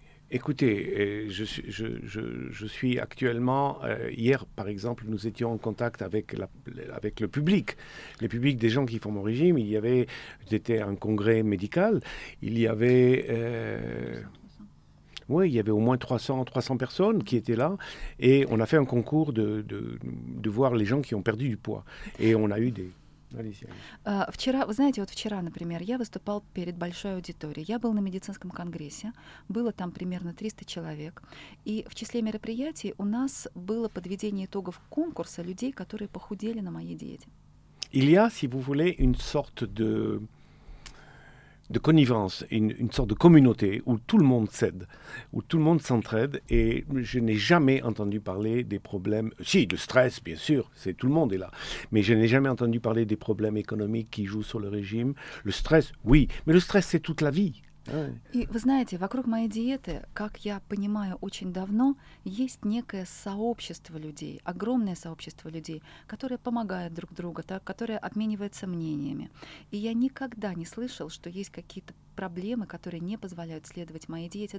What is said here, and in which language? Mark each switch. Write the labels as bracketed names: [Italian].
[French] Écoutez, je suis actuellement, hier par exemple, nous étions en contact avec, avec le public, les publics des gens qui font mon régime, il y avait, c'était un congrès médical, il y avait, il y avait au moins 300 personnes qui étaient là, et on a fait un concours de voir les gens qui ont perdu du poids, et on a eu des... [Russian] Вчера, вы знаете, вот вчера, например, я выступал перед большой аудиторией. Я был на медицинском конгрессе, было там примерно 300 человек, и в числе мероприятий у нас было подведение итогов конкурса людей, которые похудели на моей диете. [French] Il y a, si vous voulez, une sorte de connivence, une sorte de communauté où tout le monde cède, où tout le monde s'entraide, et je n'ai jamais entendu parler des problèmes, si, de stress, bien sûr, c'est, tout le monde est là, mais je n'ai jamais entendu parler des problèmes économiques qui jouent sur le régime. Le stress, oui, mais le stress, c'est toute la vie. [Russian] И вы знаете, вокруг моей диеты, как я понимаю очень давно, есть некое сообщество людей, огромное сообщество людей, которые помогают друг другу, которые обмениваются мнениями. И я никогда не слышал, что есть какие-то проблемы, которые не позволяют следовать моей диете.